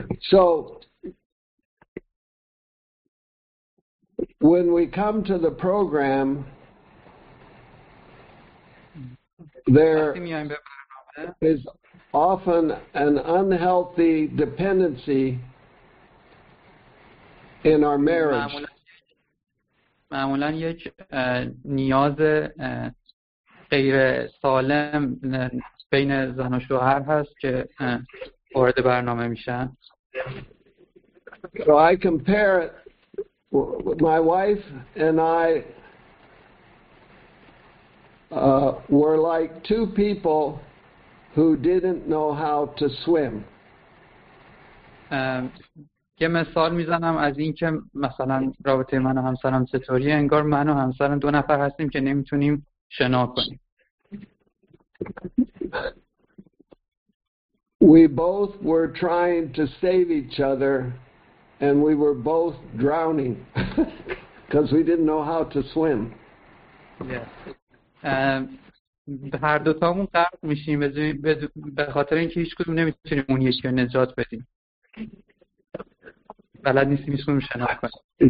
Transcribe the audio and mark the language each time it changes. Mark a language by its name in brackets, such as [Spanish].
[English] So when we come to the program, there is often an unhealthy dependency in our marriage. [Persian] معمولا یک نیاز غیر سالم بین زن و شوهر هست که وارد برنامه میشن. [English] So I compare it. My wife and I were like two people who didn't know how to swim. [Persian] یه مثال میزنم از این که مثلا رابطه من و همسرم چطوریه، انگار من و همسرم دو نفر هستیم که نمیتونیم شنا کنیم. [English] We both were trying to save each other and we were both drowning because we didn't know how to swim. Yes. [Persian] هر دو تامون غرق میشیم به خاطر اینکه هیچ کدوم نمیتونیم اون یکی رو نجات بدیم. بلد نیستیم اسمون شنا کنیم.